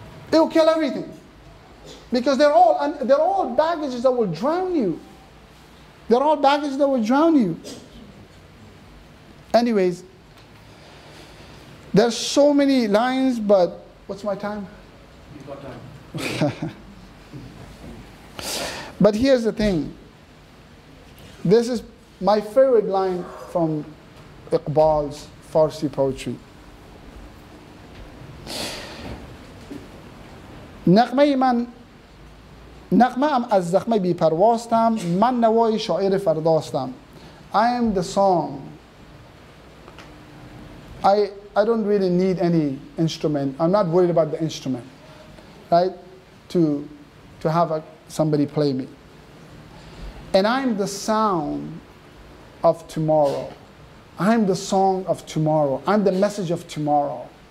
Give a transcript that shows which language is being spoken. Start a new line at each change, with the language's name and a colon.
English: it will kill everything because they're all baggages that will drown you they're all baggages that will drown you anyways there's so many lines but what's my time But here's the thing. This is my favorite line from Iqbal's Farsi poetry.
Persian: نغمه من نغمه ام از زخمه بی پرواستم من نوای شاعر فرداستم.
English: I am the song. I don't really need any instrument. I'm not worried about the instrument, right? To have somebody play me. And I'm the sound of tomorrow. I'm the song of tomorrow. I'm the message of tomorrow.